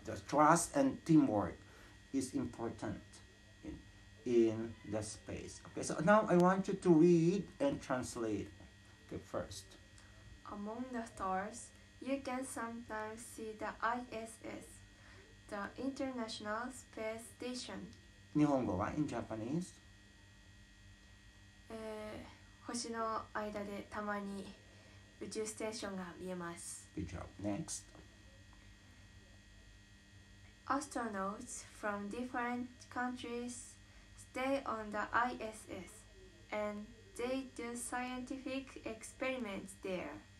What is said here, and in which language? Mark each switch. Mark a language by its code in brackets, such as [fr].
[en] The trust and teamwork is important in the space. Okay, so now I want you to read and translate. Okay, first. Among the stars, you can sometimes see the ISS, the International Space Station. [ja] 日本語は? [en] In Japanese? [ja] 星の間でたまに宇宙ステーションが見えます。 [en] Good job. Next. Astronauts from different countries stay on the ISS and they do scientific experiments there.